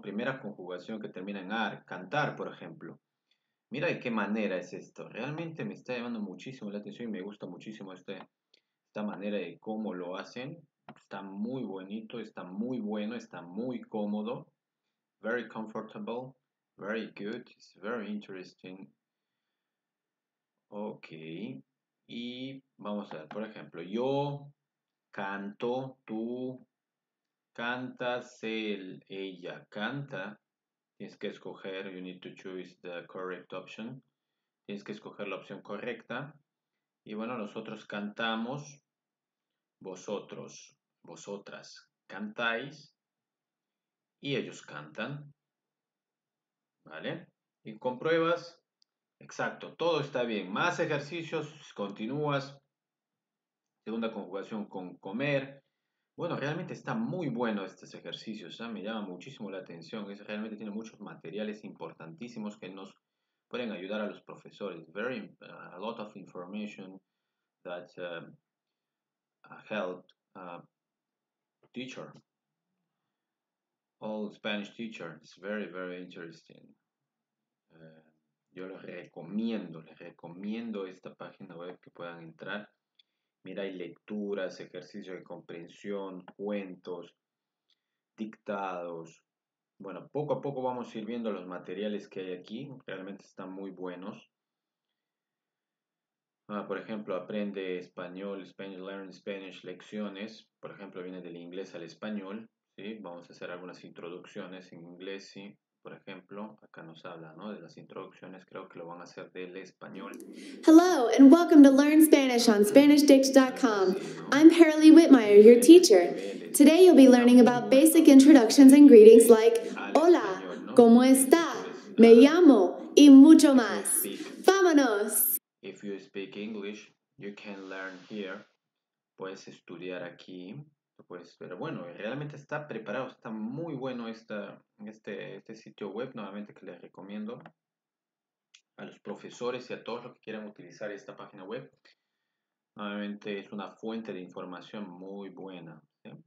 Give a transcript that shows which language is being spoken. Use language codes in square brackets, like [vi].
[es] Primera conjugación que termina en ar, cantar, por ejemplo. Mira de qué manera es esto. Realmente me está llamando muchísimo la atención y me gusta muchísimo esta manera de cómo lo hacen. Está muy bonito, está muy bueno, está muy cómodo. [en] Very comfortable. Very good, it's very interesting. [es] Ok, y vamos a ver, por ejemplo, yo canto, tú cantas, él, ella canta. Tienes que escoger, [en] you need to choose the correct option. [es] Tienes que escoger la opción correcta. Y bueno, nosotros cantamos, vosotros, vosotras cantáis y ellos cantan. ¿Vale? Y compruebas. Exacto, todo está bien. Más ejercicios, continúas. Segunda conjugación con comer. Bueno, realmente está muy bueno estos ejercicios, ¿eh? Me llama muchísimo la atención. Es, realmente tiene muchos materiales importantísimos que nos pueden ayudar a los profesores. [en] A lot of information that helped teacher. All Spanish teacher. It's very, very interesting. [es] Yo les recomiendo esta página web que puedan entrar. Mira, hay lecturas, ejercicios de comprensión, cuentos, dictados. Bueno, poco a poco vamos a ir viendo los materiales que hay aquí. Realmente están muy buenos. Por ejemplo, aprende español, [en] Learn Spanish, [es] lecciones. Por ejemplo, viene del inglés al español, ¿sí? Vamos a hacer algunas introducciones en inglés, ¿sí? Por ejemplo, acá nos habla, ¿no? De las introducciones, creo que lo van a hacer del español. [en] Hello and welcome to Learn Spanish on SpanishDict.com. I'm Harley Whitmire, your teacher. Today you'll be learning about basic introductions and greetings like [es] Hola, ¿cómo está? Me llamo y mucho más. ¡Vámonos! [en] If you speak English, you can learn here. [es] Puedes estudiar aquí. Pues, pero bueno, realmente está preparado, está muy bueno este sitio web, nuevamente que les recomiendo a los profesores y a todos los que quieran utilizar esta página web. Nuevamente es una fuente de información muy buena, ¿sí?